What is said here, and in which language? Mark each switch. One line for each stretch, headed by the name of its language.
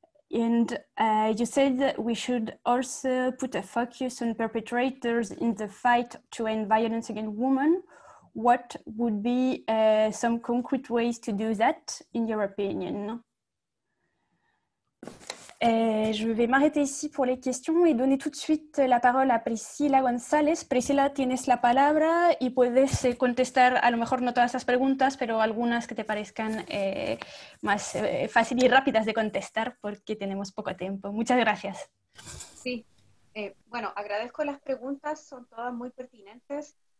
English: You said that we should also put a focus on perpetrators in the fight to end violence against women. What would be some concrete ways to do that, in your opinion?
French: Je vais m'arrêter ici pour les questions et donner tout de suite la parole à Priscila González.
Spanish: Priscila, tienes la palabra y puedes contestar a lo mejor no todas esas preguntas, pero algunas que te parezcan más fácil y rápidas de contestar porque tenemos poco tiempo. Muchas gracias. Sí, agradezco las preguntas, son todas muy pertinentes.